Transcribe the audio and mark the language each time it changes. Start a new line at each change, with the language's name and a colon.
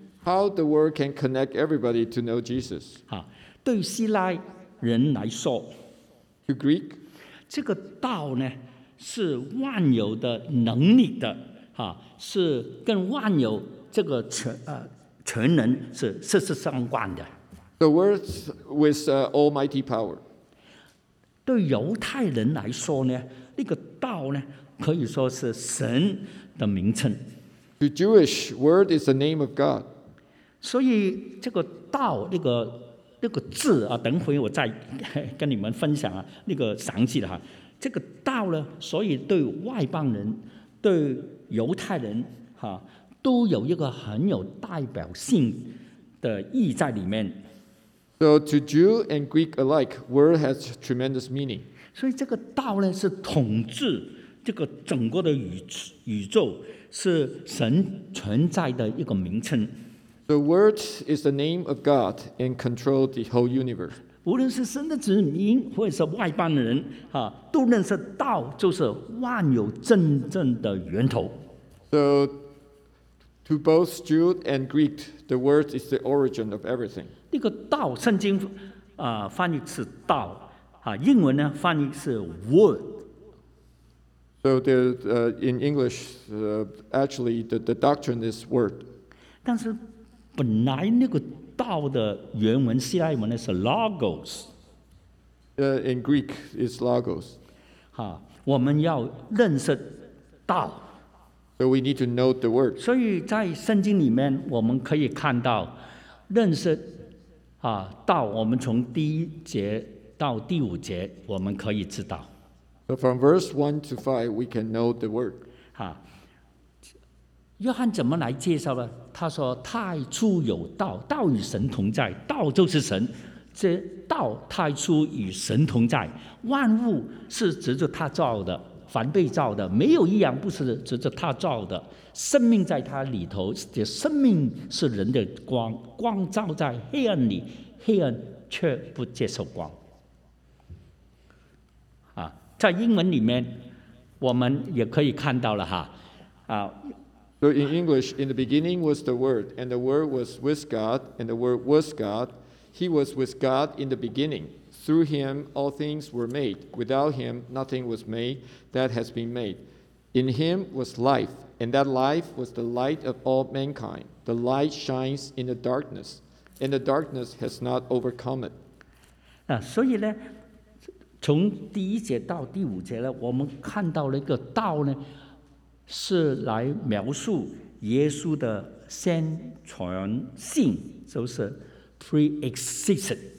English: How the word can connect everybody to know Jesus?
Chinese: 对希腊人来说，
English: To Greek,
Chinese: 这个道呢是万有的能力的，是跟万有这个全能是息息相关的。
English: The word with almighty power.
Chinese: 对犹太人来说呢，那个道呢，可以说是神的名称。
English: The Jewish word is the name of God.
Chinese: 所以这个道，那个字啊，等会我再跟你们分享那个详细的这个道呢，所以对外邦人，对犹太人都有一个很有代表性的意在里面。
English: So to Jew and Greek alike, word has tremendous meaning.
Chinese: 所以这个道呢是统治这个整个的宇宙，是神存在的一个名称。
English: The word is the name of God and control the whole universe.
Chinese: 无论是神的子民或者是外邦人，都认识道就是万有真正的源头。
English: So to both Jew and Greek, the word is the origin of everything.
Chinese: 这个道，圣经翻译是道，英文呢翻译是 word。
English: So in English, actually, the doctrine is word.
Chinese: 但是本来那个道的原文希腊文是 logos.
English: In Greek, it's logos.
Chinese: 我们要认识道。
English: So we need to know the word.
Chinese: 所以在圣经里面我们可以看到认识道，我们从第一节到第五节我们可以知道。
English: So from verse 1 to 5, we can know the word.
Chinese: 约翰怎么来介绍呢？他说太初有道，道与神同在，道就是神。这道太初与神同在，万物是藉着他造的，凡被造的没有一样不是藉着他造的。生命在他里头，这生命是人的光，光照在黑暗里，黑暗却不接受光。在英文里面我们也可以看到了
English: So in English, in the beginning was the Word, and the Word was with God, and the Word was God. He was with God in the beginning. Through Him, all things were made. Without Him, nothing was made that has been made. In Him was life, and that life was the light of all mankind. The light shines in the darkness, and the darkness has not overcome it.
Chinese: 所以呢，从第一节到第五节呢，我们看到了一个道呢是来描述耶稣的先存性，就是 pre-existed.